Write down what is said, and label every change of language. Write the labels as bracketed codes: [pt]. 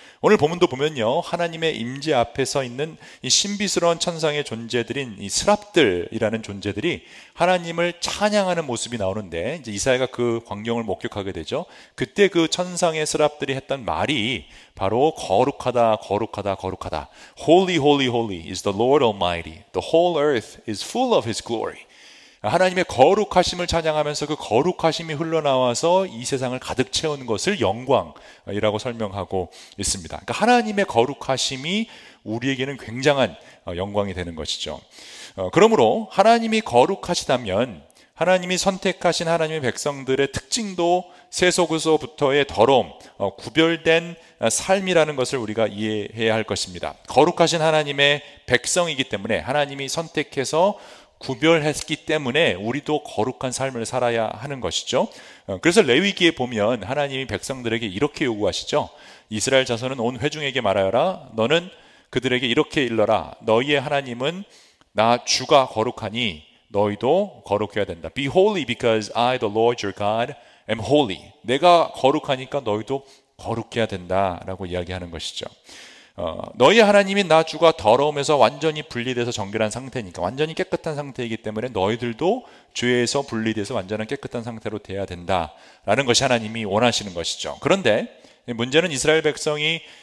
[ko] 오늘 본문도 보면요, 하나님의 임재 앞에 서 있는 이 신비스러운 천상의 존재들인 이 스랍들이라는 존재들이 하나님을 찬양하는 모습이 나오는데, 이제 이사야가 그 광경을 목격하게 되죠. 그때 그 천상의 스랍들이 했던 말이 바로 거룩하다, 거룩하다, 거룩하다. [en] Holy, holy, holy is the Lord Almighty. The whole earth is full of his glory. [ko] 하나님의 거룩하심을 찬양하면서 그 거룩하심이 흘러나와서 이 세상을 가득 채우는 것을 영광이라고 설명하고 있습니다. 그러니까 하나님의 거룩하심이 우리에게는 굉장한 영광이 되는 것이죠. 그러므로 하나님이 거룩하시다면 하나님이 선택하신 하나님의 백성들의 특징도 세속에서부터의 더러움, 구별된 삶이라는 것을 우리가 이해해야 할 것입니다. 거룩하신 하나님의 백성이기 때문에, 하나님이 선택해서 구별했기 때문에 우리도 거룩한 삶을 살아야 하는 것이죠. 그래서 레위기에 보면 하나님이 백성들에게 이렇게 요구하시죠. 이스라엘 자손은 온 회중에게 말하여라. 너는 그들에게 이렇게 일러라. 너희의 하나님은 나 주가 거룩하니 너희도 거룩해야 된다. [en] Be holy because I, the Lord your God, am holy. [ko] 내가 거룩하니까 너희도 거룩해야 된다라고 이야기하는 것이죠. 너희 하나님이 나 주가 더러움에서 완전히 분리돼서 정결한 상태니까, 완전히 깨끗한 상태이기 때문에 너희들도 죄에서 분리돼서 완전한 깨끗한 상태로 돼야 된다라는 것이 하나님이 원하시는 것이죠. 그런데 문제는 이스라엘 백성이